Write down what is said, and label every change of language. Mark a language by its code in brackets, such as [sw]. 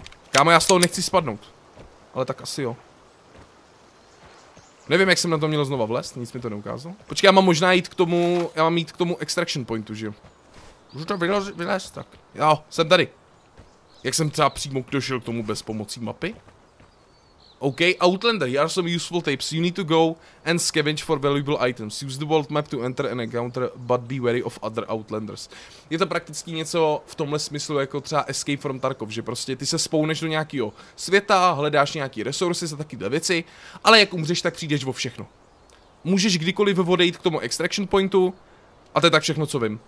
[cs] Kámo, já z toho nechci spadnout. Ale tak asi jo. Nevím, jak jsem na to měl znova vlézt, nic mi to neukázalo. Počkej, já mám možná jít k tomu, já mám jít k tomu extraction pointu, že jo? Můžu to vylézt tak. Jo, jsem tady. Jak jsem třeba přímo došel k tomu bez pomocí mapy? [en] OK, Outlander, here are some useful tapes. You need to go and scavenge for valuable items. Use the world map to enter an encounter, but be wary of other Outlanders. [cs] Je to prakticky něco v tomhle smyslu jako třeba Escape from Tarkov, že prostě ty se spouneš do nějakého světa, hledáš nějaký resursy za takovýhle věci, ale jak umřeš, tak přijdeš o všechno. Můžeš kdykoliv odejít k tomu extraction pointu, a to je tak všechno, co vím.